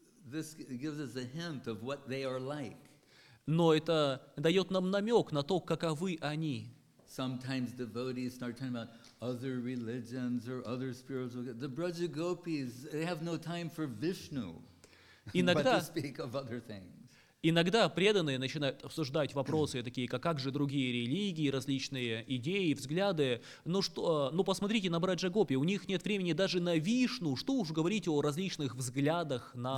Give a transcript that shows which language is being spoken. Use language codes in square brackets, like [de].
[en] This gives us a hint of what they are like. [ru] Но это дает нам намек на то, каковы они. [en] Sometimes devotees start talking about other religions or other spiritual. The Braja Gopis, they have no time for Vishnu, but to speak of other things. [ru] Иногда преданные начинают обсуждать вопросы такие, как же другие религии, различные идеи, взгляды. Ну посмотрите на Браджа Гопи, у них нет времени даже на Вишну. Что уж говорить о различных взглядах на